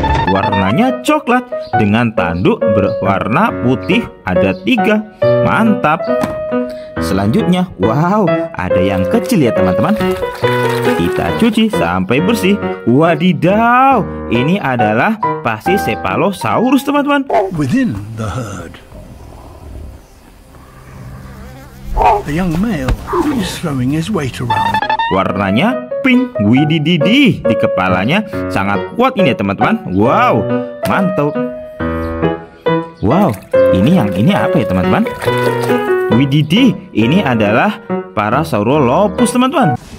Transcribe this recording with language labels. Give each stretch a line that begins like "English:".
Indonesian: Warnanya coklat dengan tanduk berwarna putih ada 3. Mantap. Selanjutnya, wow, ada yang kecil ya teman-teman. Kita cuci sampai bersih. Wadidaw, ini adalah pasti Cephalosaurus teman-teman.
English: Within the herd, a young male is throwing his weight around.
Indonesian: Warnanya pink, widididi. Di kepalanya sangat kuat ini ya teman-teman. Wow, mantap. Wow, ini yang ini apa ya teman-teman? Widididi, ini adalah Parasaurolophus teman-teman.